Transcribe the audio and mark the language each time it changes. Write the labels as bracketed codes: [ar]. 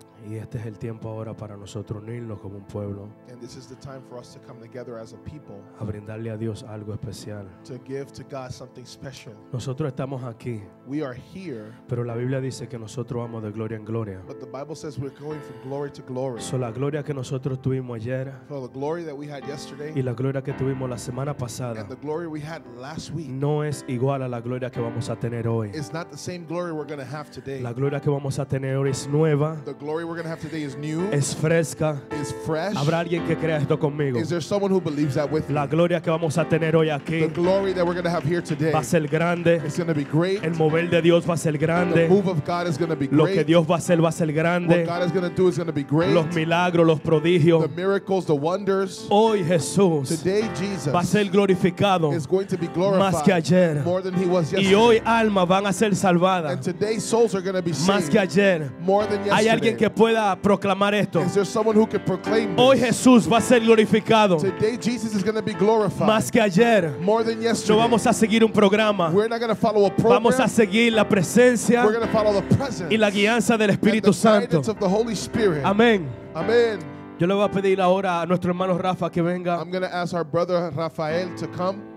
[es] Y este es el tiempo ahora para nosotros unirnos como un pueblo. [en] And this is the time for us to come together as a people. [es] A brindarle a Dios algo especial. [en] To give to God something special. [es] Nosotros estamos aquí. [en] We are here. [es] Pero la Biblia dice que nosotros vamos de gloria en gloria. [en] But the Bible says we're going from glory to glory. [es] So la gloria que nosotros tuvimos ayer. [en] For the glory that we had yesterday. [es] Y la gloria que tuvimos la semana pasada. [en] And the glory we had last week. [es] No es igual a la gloria que vamos a tener hoy. [en] It's not the same glory we're going to have today. [es] La gloria que vamos a tener hoy es nueva. [en] The glory we're going to have today is new. [es] Es fresca. [en] Is fresh. [es] ¿Habrá alguien que crea esto conmigo? [en] Is there someone who believes that with me? [es] La gloria que vamos a tener hoy aquí. [en] The glory that we're going to have here today. [es] Va a ser grande. [en] It's going to be great. [es] El mover de Dios va a ser grande. [en] The move of God is going to be great. [es] Lo que Dios va a ser grande. [en] What God is going to do is going to be great. [es] Los milagros, los prodigios. [en] The miracles, the wonders. [es] Hoy Jesús. [en] Today Jesus. [es] Va a ser glorificado. [en] Is going to be glorified. [es] Más que ayer. [en] More than he was yesterday. [es] Y hoy almas van a ser salvadas. [en] And today souls are going to be saved. [es] Más que ayer. [en] More than yesterday. [es] Hay alguien que pueda proclamar esto. [en] Is there someone who can proclaim this? [es] Hoy Jesús va a ser glorificado. [en] Today Jesus is going to be glorified. [es] Más que ayer. [en] More than yesterday. [es] No vamos a seguir un programa. [en] We're not going to follow a program. [es] Vamos a seguir la presencia. [en] We're going to follow the presence. [es] Y la guianza del Espíritu Santo. [en] And the guidance of the Holy Spirit. [es] Amén. Amén. Yo le voy a pedir ahora a nuestro hermano Rafa que venga. [en] I'm going to ask our brother Rafael to come.